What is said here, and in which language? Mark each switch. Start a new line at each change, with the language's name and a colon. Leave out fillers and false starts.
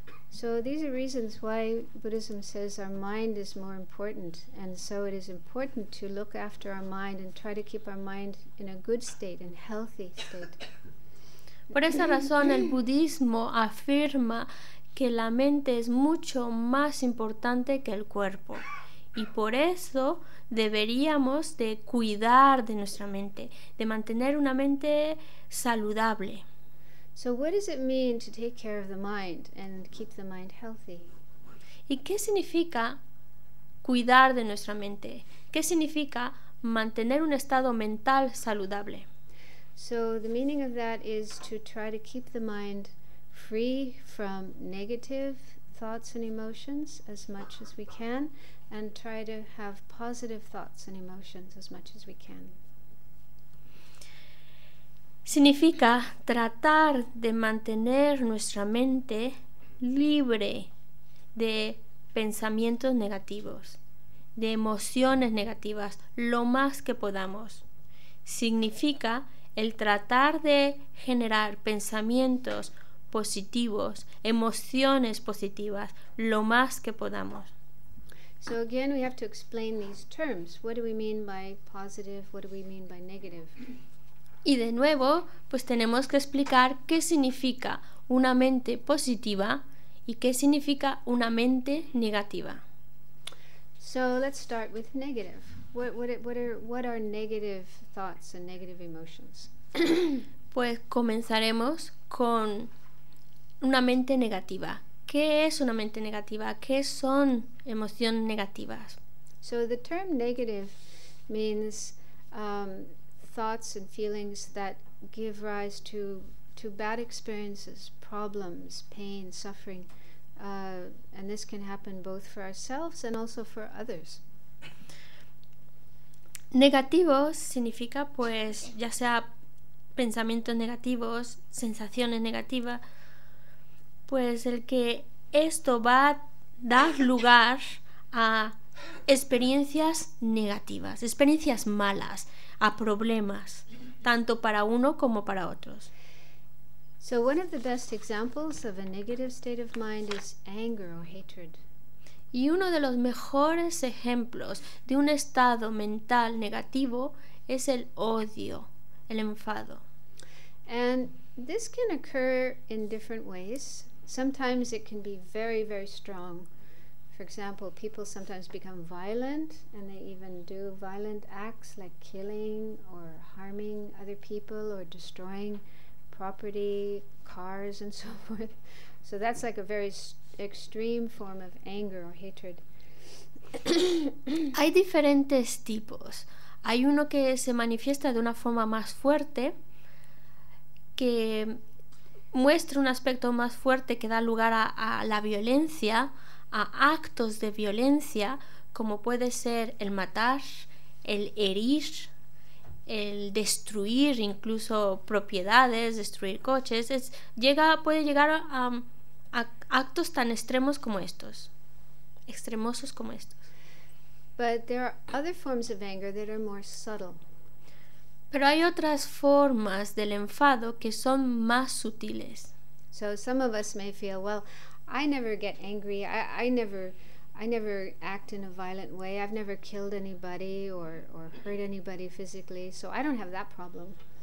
English: So these are reasons why Buddhism says our mind is more important, and so it is important to look after our mind and try to keep our mind in a good state, in healthy state.
Spanish: Por esa razón el budismo afirma que la mente es mucho más importante que el cuerpo, y por eso deberíamos de cuidar de nuestra mente, de mantener una mente saludable.
English: So what does it mean to take care of the mind and keep the mind healthy?
Spanish: ¿Y qué significa cuidar de nuestra mente? ¿Qué significa mantener un estado mental saludable?
English: So the meaning of that is to try to keep the mind free from negative thoughts and emotions as much as we can, and try to have positive thoughts and emotions as much as we can.
Spanish: Significa tratar de mantener nuestra mente libre de pensamientos negativos, de emociones negativas, lo más que podamos. Significa el tratar de generar pensamientos positivos, emociones positivas, lo más que podamos.
English: So again, we have to explain these terms. What do we mean by positive? What do we mean by negative?
Spanish: Y de nuevo, pues tenemos que explicar qué significa una mente positiva y qué significa una mente negativa.
English: So let's start with negative. What are negative thoughts and negative emotions?
Spanish: Pues comenzaremos con una mente negativa. ¿Qué es una mente negativa? ¿Qué son emociones negativas?
English: So the term negative means thoughts and feelings that give rise to bad experiences, problems, pain, suffering, and this can happen both for ourselves and also for others.
Spanish: Negativos significa, pues, ya sea pensamientos negativos, sensaciones negativas, pues el que esto va a dar lugar a experiencias negativas, experiencias malas, a problemas, tanto para uno como para otros.
English: So one of the best examples of a negative state of mind is anger or hatred.
Spanish: Y uno de los mejores ejemplos de un estado mental negativo es el odio, el enfado.
English: And this can occur in different ways. Sometimes it can be very, very strong. For example, people sometimes become violent, and they even do violent acts like killing or harming other people or destroying property, cars, and so forth. So that's like a very extreme form of anger or hatred.
Spanish: Hay diferentes tipos. Hay uno que se manifiesta de una forma más fuerte, que muestra un aspecto más fuerte que da lugar a la violencia, a actos de violencia, como puede ser el matar, el herir, el destruir incluso propiedades, destruir coches. Puede llegar a actos tan extremos como estos, extremosos como estos.
English: But there are other forms of anger that are more subtle.
Spanish: Pero hay otras formas del enfado que son más sutiles.
English: So some of us may feel, well, I never get angry. I never I never act in a violent way. I've never killed anybody or hurt anybody physically, so I don't have that problem.